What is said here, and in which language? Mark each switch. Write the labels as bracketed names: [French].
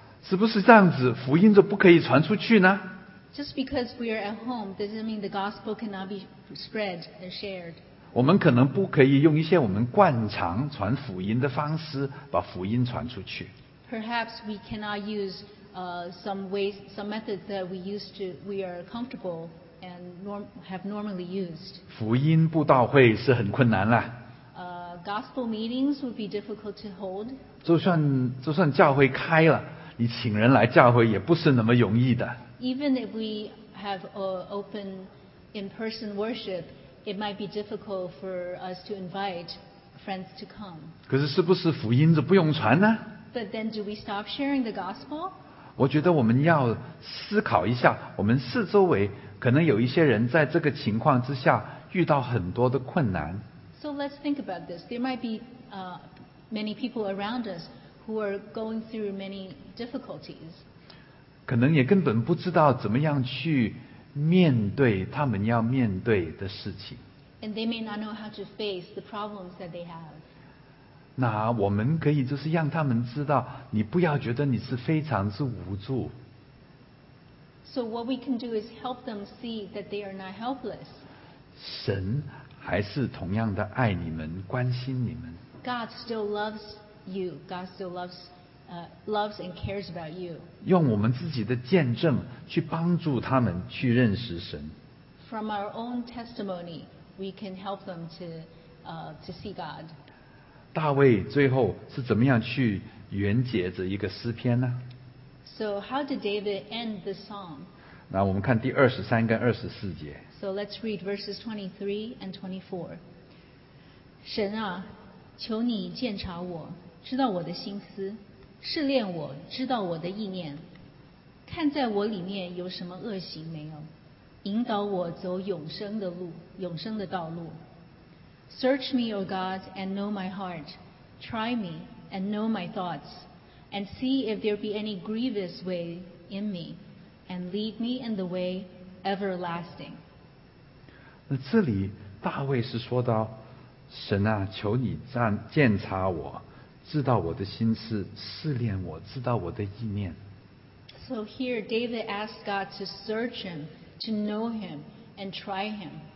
[Chinese] 是不是这样子，福音就不可以传出去呢？ [English] Just because we are at home doesn't mean the gospel cannot be spread and shared. [Chinese] 我们可能不可以用一些我们惯常传福音的方式把福音传出去。 [English] Perhaps we cannot use some methods that we are comfortable. And have normally used. [Chinese] 福音布道会是很困难了。 [English] Gospel meetings would be difficult to hold. [Chinese] 就算教会开了，你请人来教会也不是那么容易的。 [English] Even if we have open in-person worship, it might be difficult for us to invite friends to come. [Chinese] 可是是不是福音就不用传呢？ [English] But then do we stop sharing the gospel? [Chinese] 我觉得我们要思考一下，我们四周围可能有一些人在这个情况之下遇到很多的困难。 [English] So let's think about this. There might be many people around us who are going through many difficulties. [Chinese] 可能也根本不知道怎么样去面对他们要面对的事情。 [English] And they may not know how to face the problems that they have. [Chinese] 那我们可以就是让他们知道，你不要觉得你是非常之无助。 [English] So what we can do is help them see that they are not helpless. [Chinese] 神还是同样的爱你们，关心你们。 [English] God still loves you. God still loves, loves and cares about you. [Chinese] 用我们自己的见证去帮助他们去认识神。 [English] From our own testimony, we can help them to see God. [Chinese] 大卫最后是怎么样去圆结这一个诗篇呢？ [English] So how did David end the song? [Chinese] 那我们看第二十三跟二十四节。 [English] So let's read verses 23 and 24. [Chinese] 神啊，求你鉴察我，知道我的心思，试炼我，知道我的意念，看在我里面有什么恶行没有，引导我走永生的路，永生的道路。 [English] Search me, O God, and know my heart. Try me, and know my thoughts. and see if there be any grievous way in me, and lead me in the way everlasting. [Chinese] 那这里大卫是说到，神啊，求你鉴察我，知道我的心思，试炼我，知道我的意念。 [English] So here David asked God to search him, to know him, and try him.